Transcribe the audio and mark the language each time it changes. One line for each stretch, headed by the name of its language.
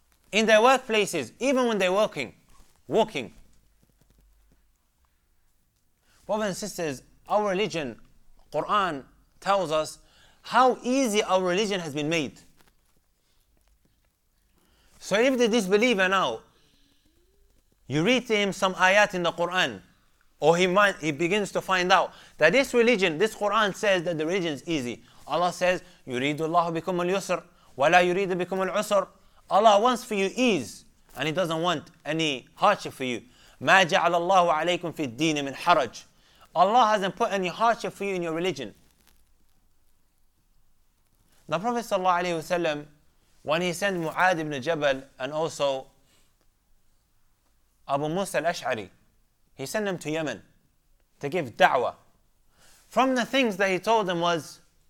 English: In their workplaces, even when they're walking. Brothers and sisters, our religion, Quran, tells us how easy our religion has been made. So if the disbeliever now, you read to him some ayat in the Quran, or he begins to find out that this religion, this Quran says that the religion is easy. Allah says,
Arabic: يُرِيدُ اللَّهُ بِكُمْ الْيُسْرِ وَلَا يُرِيدُ بِكُمْ الْعُسْرِ.
English: Allah wants for you ease, and He doesn't want any hardship for you.
Arabic: مَا جَعَلَ اللَّهُ عَلَيْكُمْ فِي الدِّينِ مِنْ حَرَجٍ.
English: Allah hasn't put any hardship for you in your religion. The Prophet sallallahu alayhi wa sallam, when he sent Mu'ad ibn Jabal and also Abu Musa al-Ash'ari, he sent them to Yemen to give da'wah. From the things that he told them was,